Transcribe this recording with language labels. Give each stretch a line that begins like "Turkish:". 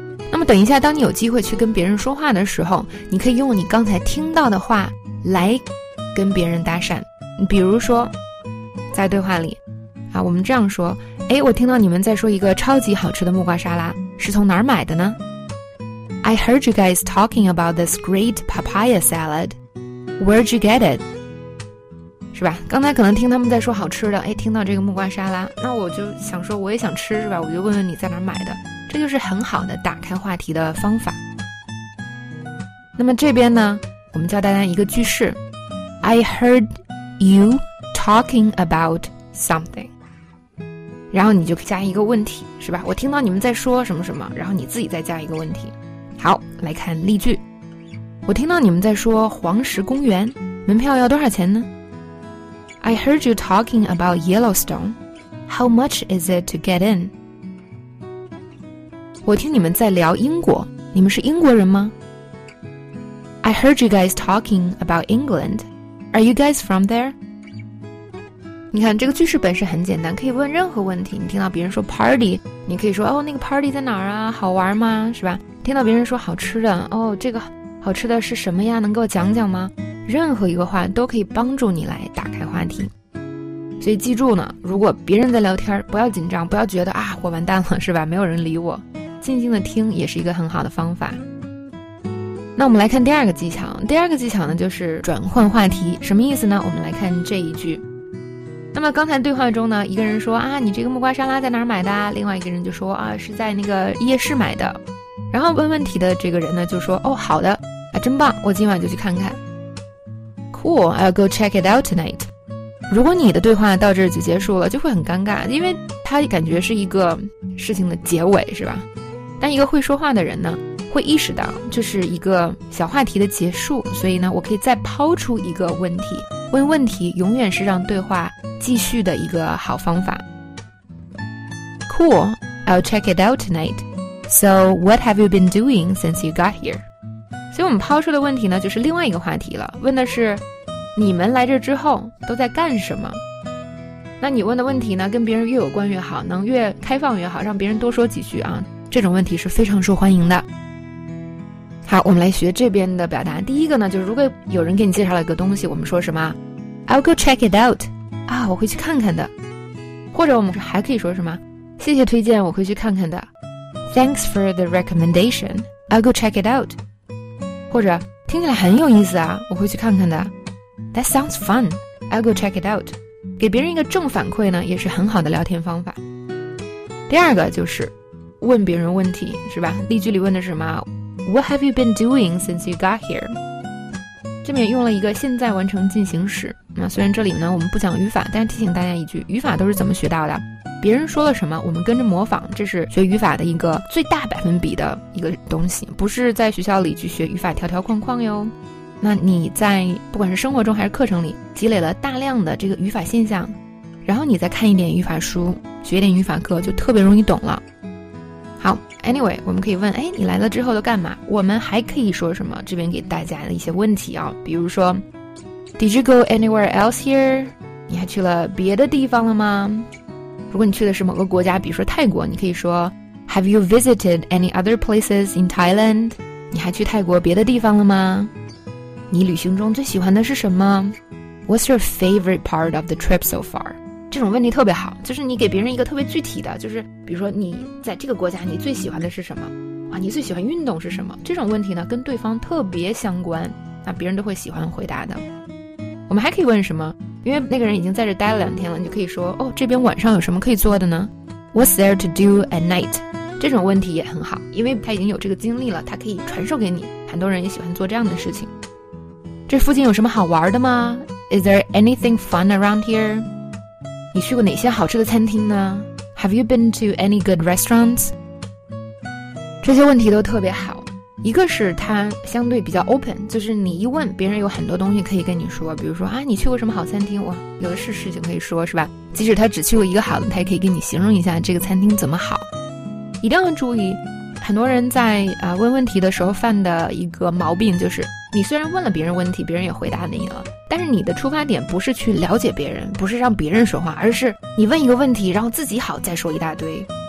Chinese: 那么等一下当你有机会去跟别人说话的时候，你可以用你刚才听到的话来跟别人搭讪。比如说在对话里啊，我们这样说，哎，我听到你们在说一个超级好吃的木瓜沙拉，是从哪儿买的呢？
English: I heard you guys talking about this great papaya salad. Where'd you get it?
Chinese: 是吧，刚才可能听他们在说好吃的，哎，听到这个木瓜沙拉，那我就想说我也想吃，是吧，我就问问你在哪儿买的。这就是很好的打开话题的方法。那么这边呢，我们教大家一个句式，
English: I heard youTalking about something，
Chinese: 然后你就加一个问题，是吧？我听到你们在说什么什么，然后你自己再加一个问题。好，来看例句。我听到你们在说黄石公园，门票要多少钱呢？
English: I heard you talking about Yellowstone. How much is it to get in?
Chinese: 我听你们在聊英国，你们是英国人吗？
English: I heard you guys talking about England. Are you guys from there?
Chinese: 你看这个句式本身很简单，可以问任何问题。你听到别人说 party， 你可以说哦，那个 party 在哪儿啊，好玩吗，是吧？听到别人说好吃的，哦，这个好吃的是什么呀，能给我讲讲吗？任何一个话都可以帮助你来打开话题。所以记住呢，如果别人在聊天不要紧张，不要觉得啊我完蛋了，是吧，没有人理我，静静的听也是一个很好的方法。那我们来看第二个技巧。第二个技巧呢就是转换话题。什么意思呢？我们来看这一句。那么刚才对话中呢，一个人说啊，你这个木瓜沙拉在哪儿买的？另外一个人就说啊，是在那个夜市买的。然后问问题的这个人呢，就说哦，好的，啊，真棒，我今晚就去看看。
English: Cool, I'll go check it out tonight.
Chinese: 如果你的对话到这儿就结束了，就会很尴尬，因为他感觉是一个事情的结尾，是吧？但一个会说话的人呢，会意识到这是一个小话题的结束，所以呢，我可以再抛出一个问题。问问题永远是让对话继续的一个好方法。
English: Cool, I'll check it out tonight. So what have you been doing since you got here?
Chinese: 所以我们抛出的问题呢就是另外一个话题了，问的是你们来这之后都在干什么。那你问的问题呢跟别人越有关越好，能越开放越好，让别人多说几句啊，这种问题是非常受欢迎的。好，我们来学这边的表达。第一个呢就是如果有人给你介绍了一个东西，我们说什么？
English: I'll go check it out.
Chinese: 啊，我会去看看的。或者我们还可以说什么？谢谢推荐，我会去看看的。
English: Thanks for the recommendation, I'll go check it out.
Chinese: 或者听起来很有意思啊，我会去看看的。
English: That sounds fun, I'll go check it out.
Chinese: 给别人一个正反馈呢也是很好的聊天方法。第二个就是问别人问题，是吧？例句里问的是什么？
English: What have you been doing since you got here?
Chinese: 这边用了一个现在完成进行时。那虽然这里呢我们不讲语法，但是提醒大家一句，语法都是怎么学到的？别人说了什么我们跟着模仿，这是学语法的一个最大百分比的一个东西，不是在学校里去学语法条条框框哟。那你在不管是生活中还是课程里积累了大量的这个语法现象，然后你再看一点语法书，学一点语法课，就特别容易懂了。好， anyway 我们可以问，哎，你来了之后都干嘛？我们还可以说什么？这边给大家的一些问题啊，比如说
English: Did you go anywhere else here?
Chinese: 你还去了别的地方了吗？如果你去的是某个国家，比如说泰国，你可以说
English: Have you visited any other places in Thailand?
Chinese: 你还去泰国别的地方了吗？你旅行中最喜欢的是什么？
English: What's your favorite part of the trip so far?
Chinese: 这种问题特别好，就是你给别人一个特别具体的，就是比如说你在这个国家你最喜欢的是什么，你最喜欢运动是什么，这种问题呢跟对方特别相关，那别人都会喜欢回答的。我们还可以问什么，因为那个人已经在这待了两天了，你就可以说哦，这边晚上有什么可以做的呢？
English: What's there to do at night?
Chinese: 这种问题也很好，因为他已经有这个经历了，他可以传授给你，很多人也喜欢做这样的事情。这附近有什么好玩的吗？
English: Is there anything fun around here?
Chinese: 你去过哪些好吃的餐厅呢？
English: Have you been to any good restaurants?
Chinese: 这些问题都特别好，一个是它相对比较 open， 就是你一问别人有很多东西可以跟你说，比如说啊，你去过什么好餐厅，我有的是事情可以说，是吧？即使他只去过一个好的，他也可以给你形容一下这个餐厅怎么好。一定要注意，很多人在问问题的时候犯的一个毛病，就是你虽然问了别人问题，别人也回答你了，但是你的出发点不是去了解别人，不是让别人说话，而是你问一个问题，然后自己好再说一大堆。